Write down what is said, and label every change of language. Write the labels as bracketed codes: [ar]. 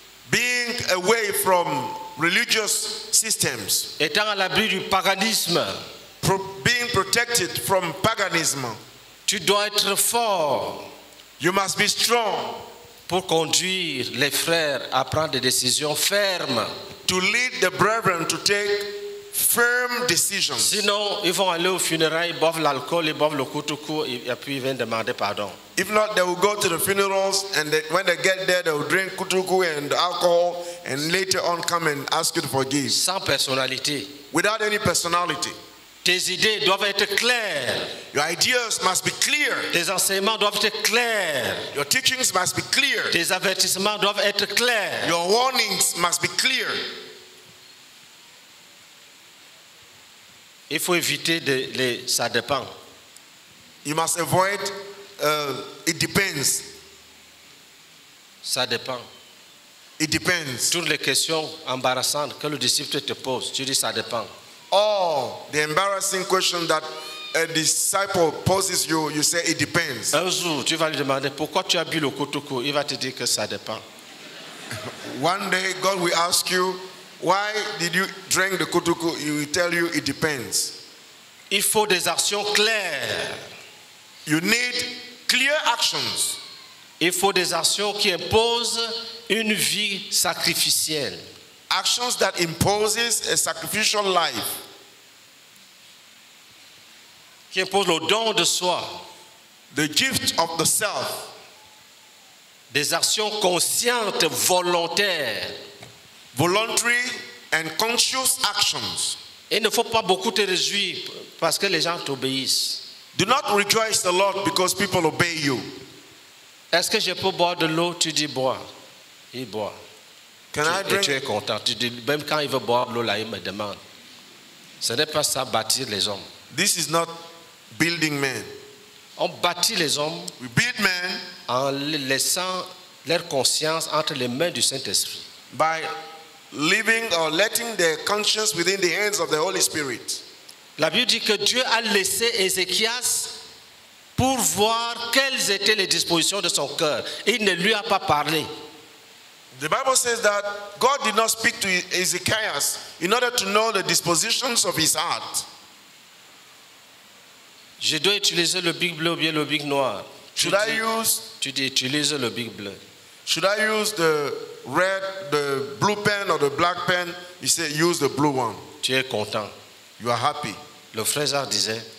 [en] Being away from religious systems. [fr] Étant à l'abri du paganisme. [en] Being protected from paganism. [fr] Tu dois être fort. [en] You must be strong. [fr] Pour conduire les frères à prendre des décisions fermes. [en] To lead the brethren to take firm decisions. [fr] Sinon, ils vont aller au funérail, ils boivent l'alcool, ils boivent le kutuku et puis ils viennent demander pardon. [en] If not, they will go to the funerals and when they get there, they will drink kutuku and alcohol and later on come and ask you to forgive. [fr] Sans personnalité. [en] Without any personality. [fr] Tes idées doivent être claires. [en] Your ideas must be clear. [fr] Tes enseignements doivent être clairs. [en] Your teachings must be clear. [fr] Tes avertissements doivent être clairs. [en] Your warnings must be clear. [fr] Il faut éviter de les ça dépend. [en] You must avoid it depends. [fr] Ça dépend. [en] It depends. [fr] Toutes les questions embarrassantes que le disciple te pose, tu dis ça dépend. [en] All the embarrassing questions that a disciple poses you, you say it depends. [fr] Un jour, tu vas lui demander pourquoi tu as bu le kutuku, il va te dire que ça dépend. [en] One day God will ask you, why did you drink the kutuku? He will tell you it depends. [fr] Il faut des actions claires. [en] You need clear actions. [fr] Il faut des actions qui imposent une vie sacrificielle. [en] Actions that imposes a sacrificial life. [fr] Qui impose le don de soi. [en] The gift of the self. [fr] Des actions conscientes, volontaires. [en] Voluntary and conscious actions. [fr] Il ne faut pas beaucoup te réjouir parce que les gens t'obéissent. [en] Do not rejoice a lot because people obey you. [fr] Est-ce que je peux boire de l'eau? Tu dis bois. Il boit. [en] Can [fr] tu, [en] I drink? [fr] Et tu es content. Tu dis, même quand il veut boire l'eau là, il me demande. Ce n'est pas ça bâtir les hommes. [en] This is not building men. [fr] On bâtit les hommes. [en] We build men. [fr] En laissant leur conscience entre les mains du Saint-Esprit. [en] By leaving or letting their conscience within the hands of the Holy Spirit. [fr] La Bible dit que Dieu a laissé Ézéchias pour voir quelles étaient les dispositions de son cœur. Il ne lui a pas parlé. [en] The Bible says that God did not speak to Ezekiah in order to know the dispositions of his heart. [fr] Je dois utiliser le big bleu ou bien le big noir. [en] Should I use? [fr] Tu dis utilise le big bleu. [en] Should I use the red, the blue pen or the black pen? He said, use the blue one. [fr] Tu es content. [en] You are happy. [fr] Le frère disait.